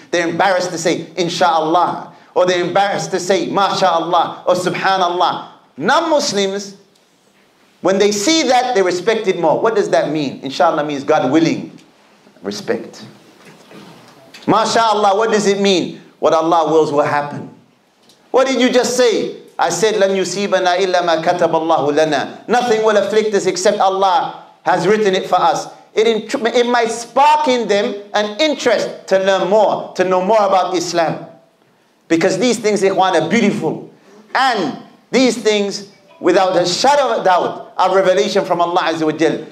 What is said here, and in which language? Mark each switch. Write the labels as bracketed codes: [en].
[en] They're embarrassed to say, Insha'Allah. Or they're embarrassed to say, Masha'Allah. Or Subhanallah. Non-Muslims, when they see that, they respect it more. What does that mean? Inshallah means God willing. Respect. MashaAllah, what does it mean? What Allah wills will happen. What did you just say? I said, [ar] لَنْ يُسِيبَنَا إِلَّا مَا كَتَبَ اللَّهُ لَنَا. [en] Nothing will afflict us except Allah has written it for us. It might spark in them an interest to learn more, to know more about Islam. Because these things, ikhwan, are beautiful. And these things, without a shadow of a doubt, a revelation from Allah Azza wa Jal.